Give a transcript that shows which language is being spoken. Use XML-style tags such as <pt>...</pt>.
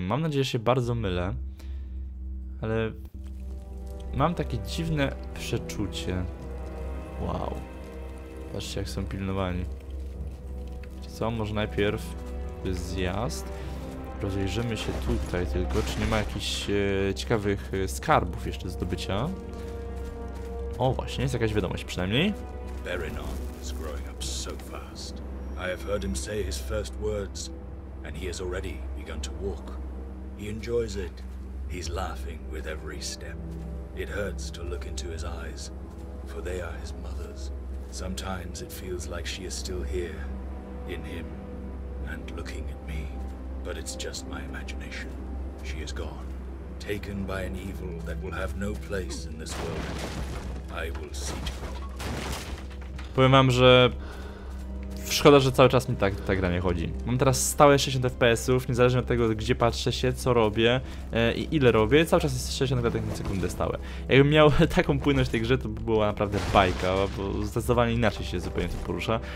<pl>Mam nadzieję, że się bardzo mylę. Ale mam takie dziwne przeczucie. Wow. Patrzcie, jak są pilnowani. Co? Może najpierw zjazd. Rozejrzymy się tutaj tylko, czy nie ma jakichś ciekawych skarbów jeszcze do zdobycia. O, właśnie, jest jakaś wiadomość przynajmniej.</pl> <en>Berinon is growing up so fast. I have heard him say his first words, and he has already begun to walk. He enjoys it. He's laughing with every step. It hurts to look into his eyes, for they are his mother's. Sometimes it feels like she is still here, in him, and looking at me. But it's just my imagination. She is gone, taken by an evil that will have no place in this world. I will see to it.</en> <pl>Powiem wam, że szkoda, że cały czas mi tak ta gra nie chodzi. Mam teraz stałe 60 FPS-ów, niezależnie od tego, gdzie patrzę się, co robię i ile robię, cały czas jest 60 klatek na sekundę stałe. Jakbym miał taką płynność tej grze, to by była naprawdę bajka, bo zdecydowanie inaczej się zupełnie to porusza.</pl>